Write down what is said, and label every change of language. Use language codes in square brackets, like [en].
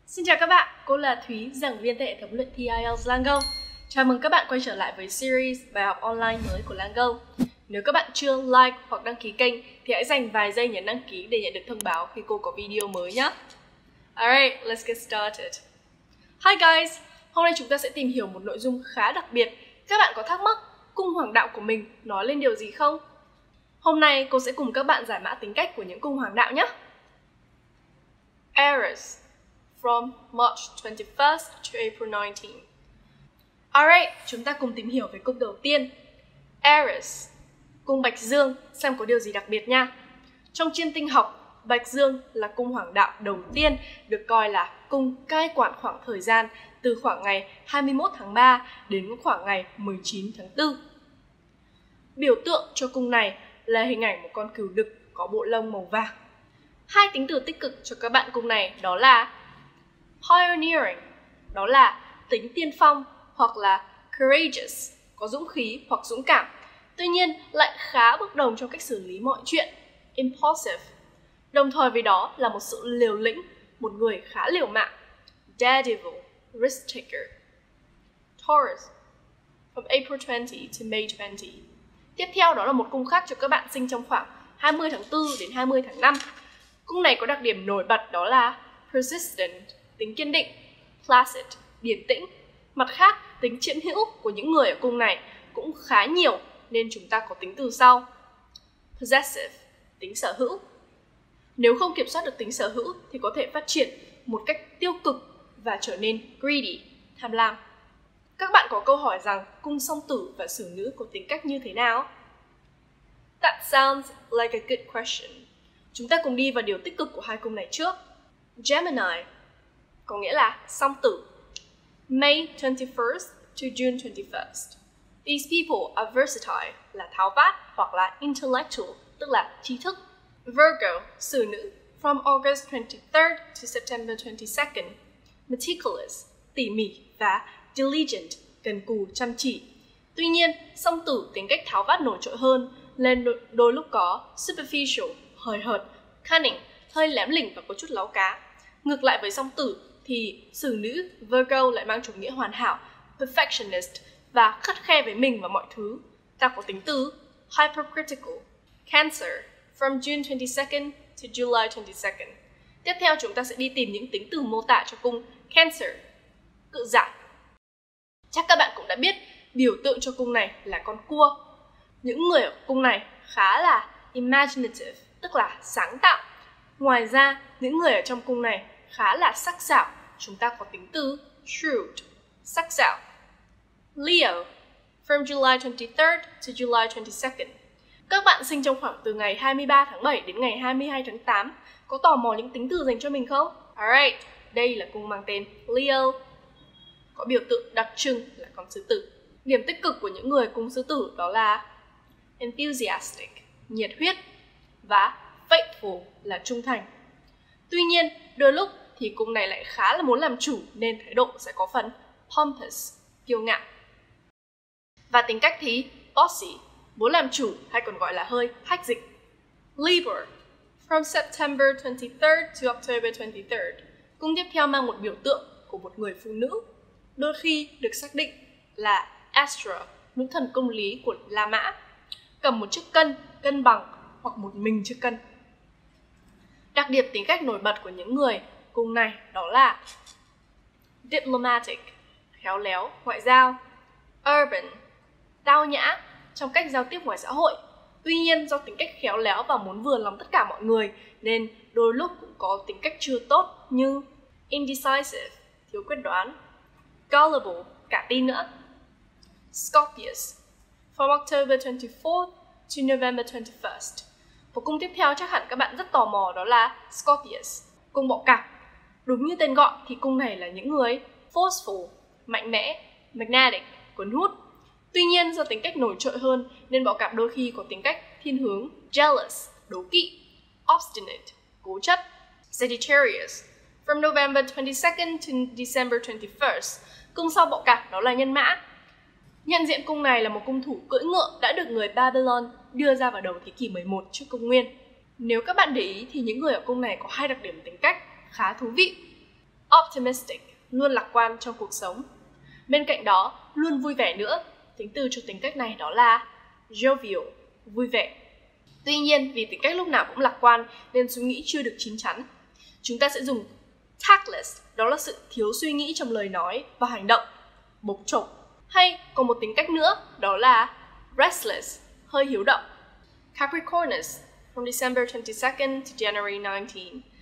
[vi] chào các bạn, cô là Thúy, giảng viên tại hệ thống luyện thi IELTS LangGo. Chào mừng các bạn quay trở lại với series bài học online mới của LangGo. Nếu các bạn chưa like hoặc đăng ký kênh thì hãy dành vài giây nhấn đăng ký để nhận được thông báo khi cô có video mới nhé. [en] Alright, let's get started. Hi guys, [vi] hôm nay chúng ta sẽ tìm hiểu một nội dung khá đặc biệt. Các bạn có thắc mắc cung hoàng đạo của mình nói lên điều gì không? Hôm nay cô sẽ cùng các bạn giải mã tính cách của những cung hoàng đạo nhé. [en] Aries, from March 21st to April 19th. [vi] Alright, chúng ta cùng tìm hiểu về cung đầu tiên. Aries, cung Bạch Dương, xem có điều gì đặc biệt nha. Trong chiên tinh học, Bạch Dương là cung hoàng đạo đầu tiên được coi là cung cai quản khoảng thời gian từ khoảng ngày 21 tháng 3 đến khoảng ngày 19 tháng 4. Biểu tượng cho cung này là hình ảnh một con cừu đực có bộ lông màu vàng. Hai tính từ tích cực cho các bạn cung này đó là pioneering, đó là tính tiên phong, hoặc là courageous, có dũng khí hoặc dũng cảm. Tuy nhiên, lại khá bất đồng trong cách xử lý mọi chuyện, impulsive. Đồng thời với đó là một sự liều lĩnh, một người khá liều mạng, daredevil, risk taker. [en] Taurus, from April 20 to May 20. [vi] Tiếp theo đó là một cung khác cho các bạn sinh trong khoảng 20 tháng 4 đến 20 tháng 5. Cung này có đặc điểm nổi bật đó là persistent, tính kiên định, placid, điềm tĩnh. Mặt khác, tính chiếm hữu của những người ở cung này cũng khá nhiều, nên chúng ta có tính từ sau: possessive, tính sở hữu. Nếu không kiểm soát được tính sở hữu thì có thể phát triển một cách tiêu cực và trở nên greedy, tham lam. Các bạn có câu hỏi rằng cung song tử và xử nữ có tính cách như thế nào? That sounds like a good question. Chúng ta cùng đi vào điều tích cực của hai cung này trước. Gemini có nghĩa là song tử. [en] May 21st to June 21st. These people are versatile, [vi] là tháo vát, hoặc là [en] intellectual, [vi] tức là trí thức. [en] Virgo, [vi] xử nữ, [en] from August 23rd to September 22nd. [vi] Meticulous, tỉ mỉ, và diligent, cần cù, chăm chỉ. Tuy nhiên, song tử tính cách tháo vát nổi trội hơn, nên đôi lúc có superficial, hời hợt, cunning, hơi lém lỉnh và có chút láo cá. Ngược lại với song tử, thì xử nữ, Virgo lại mang chủ nghĩa hoàn hảo, perfectionist, và khắt khe với mình và mọi thứ. Ta có tính từ hypercritical. [en] Cancer, from June 22nd to July 22nd. [vi] Tiếp theo chúng ta sẽ đi tìm những tính từ mô tả cho cung Cancer, cự giảm. Chắc các bạn cũng đã biết biểu tượng cho cung này là con cua. Những người ở cung này khá là imaginative, tức là sáng tạo. Ngoài ra, những người ở trong cung này khá là sắc sảo. Chúng ta có tính từ shrewd, sắc sảo. [en] Leo, from July 23rd to July 22nd. [vi] Các bạn sinh trong khoảng từ ngày 23 tháng 7 đến ngày 22 tháng 8, có tò mò những tính từ dành cho mình không? Alright, đây là cung mang tên Leo, có biểu tượng đặc trưng là con sư tử. Điểm tích cực của những người cung sư tử đó là enthusiastic, nhiệt huyết, và faithful là trung thành. Tuy nhiên, đôi lúc thì cung này lại khá là muốn làm chủ nên thái độ sẽ có phần pompous, kiêu ngạo. Và tính cách thì bossy, muốn làm chủ hay còn gọi là hơi hách dịch. [en] Libra, from September 23rd to October 23rd. [vi] Cung tiếp theo mang một biểu tượng của một người phụ nữ, đôi khi được xác định là Astra, nữ thần công lý của La Mã. Cầm một chiếc cân, cân bằng, hoặc một mình chiếc cân. Đặc điểm tính cách nổi bật của những người cung này đó là diplomatic, khéo léo, ngoại giao. Urban, tao nhã, trong cách giao tiếp ngoài xã hội. Tuy nhiên, do tính cách khéo léo và muốn vừa lòng tất cả mọi người, nên đôi lúc cũng có tính cách chưa tốt như indecisive, thiếu quyết đoán. Gullible, cả tin nữa. [en] Scorpius, from October 24th to November 21st. [vi] Và cung tiếp theo chắc hẳn các bạn rất tò mò đó là Scorpius, cung bọ cạp. Đúng như tên gọi thì cung này là những người forceful, mạnh mẽ, magnetic, cuốn hút. Tuy nhiên, do tính cách nổi trội hơn nên bọ cạp đôi khi có tính cách thiên hướng jealous, đố kỵ, obstinate, cố chấp. [en] Sagittarius, from November 22nd to December 21st. [vi] Cung sau bọ cạp đó là nhân mã. Nhận diện cung này là một cung thủ cưỡi ngựa đã được người Babylon đưa ra vào đầu thế kỷ 11 trước công nguyên. Nếu các bạn để ý thì những người ở cung này có hai đặc điểm tính cách khá thú vị. optimistic, luôn lạc quan trong cuộc sống. Bên cạnh đó, luôn vui vẻ nữa, tính từ cho tính cách này đó là jovial, vui vẻ. Tuy nhiên, vì tính cách lúc nào cũng lạc quan nên suy nghĩ chưa được chín chắn, chúng ta sẽ dùng tactless, đó là sự thiếu suy nghĩ trong lời nói và hành động, bộc trộm. Hay còn một tính cách nữa, đó là restless, hơi hiếu động. [en] Capricornus, from December 22nd to January 19.